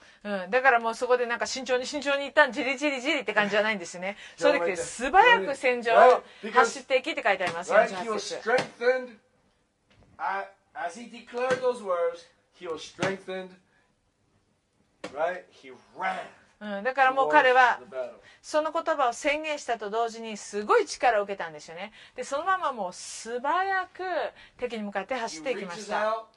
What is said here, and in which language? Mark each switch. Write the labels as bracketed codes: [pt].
[ja] うん、だからもうそこでなんか慎重に慎重に一旦じりじりじりって感じじゃないんですね。そういう時で素早く戦場を走っていきって書いてあります。 [en] 48節。 He was strengthened as he declared those words. He was strengthened. Right? He ran. [ja] だからもう彼はその言葉を宣言したと同時にすごい力を受けたんですよね。でそのままもう素早く敵に向かって走っていきました。